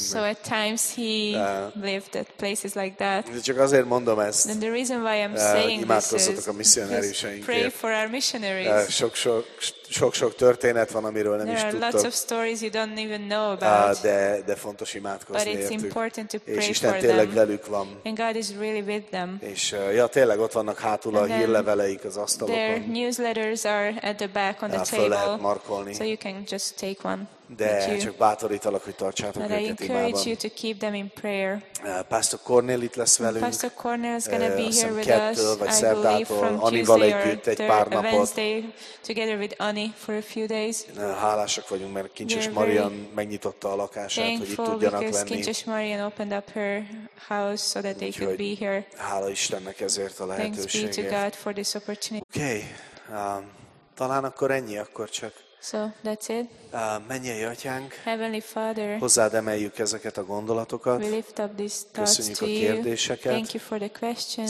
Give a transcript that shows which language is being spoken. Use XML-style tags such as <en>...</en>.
<en>So at times he lived at places like that.</en> <hu>De csak azért mondom ezt.</hu> <en>And the reason why I'm saying this is,</en> <hu>imádkozzatok a misszionáriusainkért.</hu> <en>Pray for our missionaries.</en> <hu>Sok-sok történet van, amiről nem is tudtok.</hu> <en>There are lots of stories you don't even know about.</en> <hu>De fontos imádkozni értük.</hu> <en>But it's important to pray for them.</en> <hu>És Isten tényleg velük van.</hu> <en>And God is really with them.</en> <hu>És ja, tényleg ott vannak hátul a hírleveleik az asztalokon.</hu> <en>Their newsletters are at the back on the table.</en> <hu>Lehet markolni.</hu> <en>So you can just take one.</en> <hu>De csak bátorítalak, hogy tartsátok őket imában.</hu> <en>I encourage you to keep them in prayer.</en> <hu>Pastor Cornel itt lesz velünk.</hu> <en>Pastor Cornel is going to be here with us. I believe from Tuesday or Wednesday together with Ani for a few days.</en> <hu>Hálásak vagyunk, mert Kincses Marian megnyitotta a lakását, hogy itt tudjanak lenni.</hu> <en>Because Kincses Marian opened up her house so that they could be here.</en> <hu>Hála Istennek ezért a lehetőségért.</hu> <en>Thanks be to God for this opportunity. Okay.</en> <hu>Talán akkor ennyi, akkor csak.</hu> <en>So, that's it.</en> <hu>Mennyei Atyánk,</hu> <en>Heavenly Father,</en> <hu>hozzád emeljük ezeket a gondolatokat.</hu> <en>We lift up these thoughts to you.</en> <hu>Köszönjük a kérdéseket.</hu> <en>Thank you for the questions.</en>